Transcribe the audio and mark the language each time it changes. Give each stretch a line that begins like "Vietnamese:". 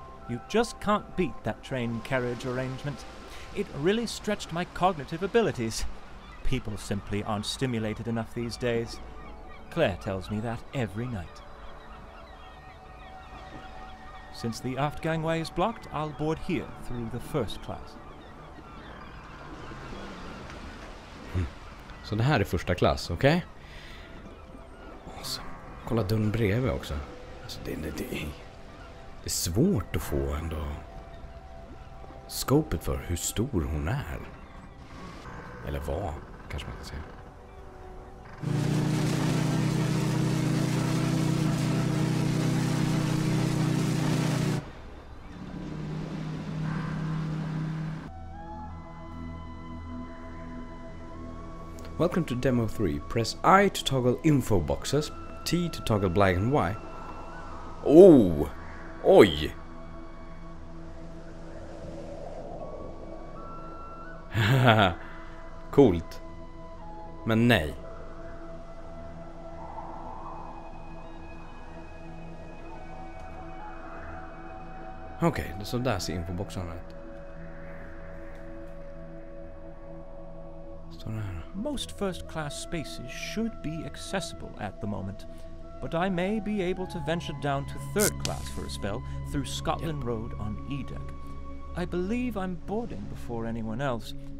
English: You just can't beat that train carriage arrangement. It really stretched my cognitive abilities. P people simply aren't stimulated enough these days. Claire tells me that every night. Since the aft gangway is blocked, I'll board here through the first class.
Swedish: Så det här är första klass, okej? Okay? Alltså, kolla dörren bredvid också. Alltså, det är svårt att få ändå scopet för hur stor hon är. Eller vad, kanske man kan säga.
English: Welcome to demo 3. Press I to toggle info boxes, T to toggle black and Y. Oh! Oj!
Swedish: Coolt. Men nej. Okej, okay, så där ser infoboxen ut.
English: Most first class spaces should be accessible at the moment, but I may be able to venture down to third class for a spell through Scotland yep. Road on E-deck. I believe I'm boarding before anyone else.